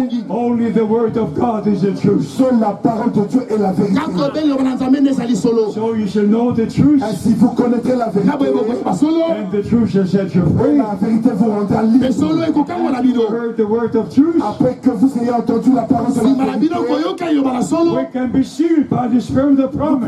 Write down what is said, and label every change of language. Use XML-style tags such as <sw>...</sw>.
<en>Only the word of God is the truth.</en> <fr>Seule la parole de Dieu est la vérité.</fr> <en>So you shall know the truth.</en> <fr>Ainsi vous connaîtrez la vérité.</fr> <en>And the truth shall set you free.</en> <fr>La vérité vous rendra libre.</fr> <en>And you heard the word of truth.</en> <fr>Après que vous ayez entendu la parole de la vérité.</fr> <en>We can be sealed by the spirit of promise.</en>